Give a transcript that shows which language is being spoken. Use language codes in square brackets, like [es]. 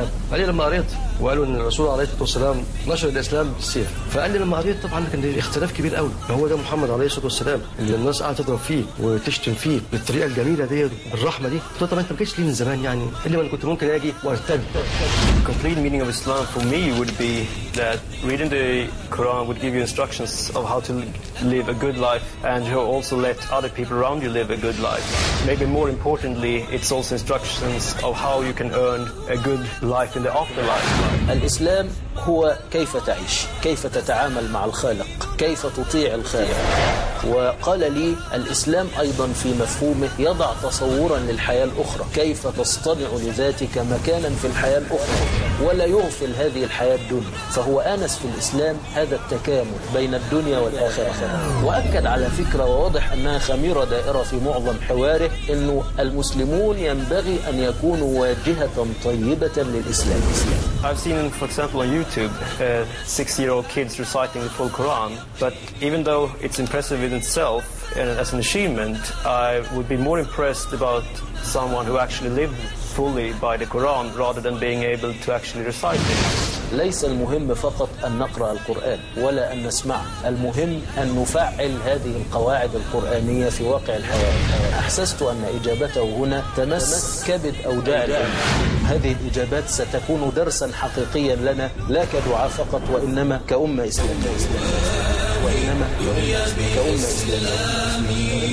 [ar] قال لي لما قريت وقالوا أن الرسول عليه الصلاة والسلام نشر الإسلام بالسيف، فقال لي لما قريت طبعا كان الاختلاف كبير قوي، هو ده محمد عليه الصلاة والسلام اللي الناس قاعدة تضرب فيه وتشتم فيه بالطريقة الجميلة دي بالرحمة دي؟ قلت له طبعا أنت ما جيتش ليه من زمان يعني؟ قال لي ما أنا كنت ممكن أجي وأرتد. [en] Complete meaning of Islam for me would be that reading the Quran would give you instructions of how to live a good life and how also let other people around you live a good life. Maybe more importantly, it's also instructions of how you can earn a good life in the afterlife. [ar] الإسلام هو كيف تعيش، كيف تتعامل مع الخالق، كيف تطيع الخالق. وقال لي الإسلام أيضا في مفهومه يضع تصورا للحياة الأخرى، كيف تصطنع لذاتك مكانا في الحياة الأخرى ولا يغفل هذه الحياة الدنيا. فهو آنس في الإسلام هذا التكامل بين الدنيا والآخرة. وأكد على فكرة واضح أنها خميرة دائرة في معظم حواره أنه المسلمون ينبغي أن يكونوا واجهة طيبة للإسلام. [en] I've seen, for example, on YouTube, 6-year-old kids reciting the full Quran. But even though it's impressive in itself and as an achievement, I would be more impressed about someone who actually lived fully by the Quran rather than being able to actually recite it. [ar] ليس المهم فقط أن نقرأ القرآن ولا أن نسمع، المهم أن نفعل هذه القواعد القرآنية في واقع الحياة. أحسست أن إجابته هنا تمس كبد أوجاع الأمة. هذه الإجابات ستكون درسا حقيقيا لنا، لا كدعاء فقط وإنما كأمة إسلامية، وإنما كأمة إسلامية.